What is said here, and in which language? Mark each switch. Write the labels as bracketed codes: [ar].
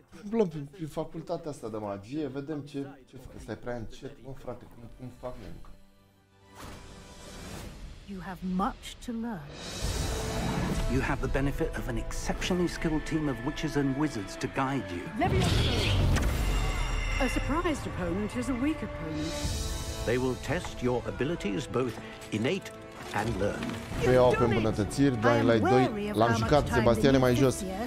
[ro] Luăm prin facultatea asta de magie, vedem ce fac. Stai prea încet, mă frate, cum fac eu încă? [en] You have much to learn. You have the benefit of an exceptionally skilled team of witches and wizards to guide you. A surprised opponent is a weak opponent. They will test your abilities both innate and learned. [ro] Pe o îmbunătățire, Dying Light 2, l-am jucat, Sebastian e mai jos.